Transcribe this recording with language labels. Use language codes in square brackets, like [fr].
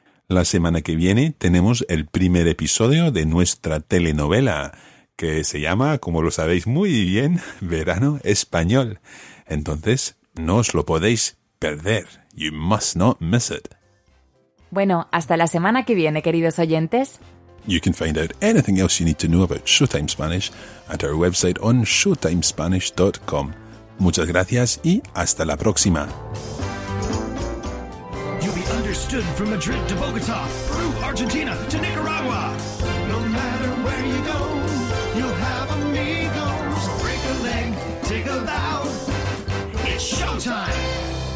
[es] La semana que viene tenemos el primer episodio de nuestra telenovela, que se llama, como lo sabéis muy bien, Verano Español. Entonces, no os lo podéis perder. [en] You must not miss it. [es] Bueno, hasta la semana que viene, queridos oyentes. [en] You can find out anything else you need to know about Showtime Spanish at our website on showtimespanish.com. [es] Muchas gracias y hasta la próxima. [en] Stood from Madrid to Bogota, through Argentina to Nicaragua. No matter where you go, you'll have amigos. Break a leg, take a bow. It's showtime.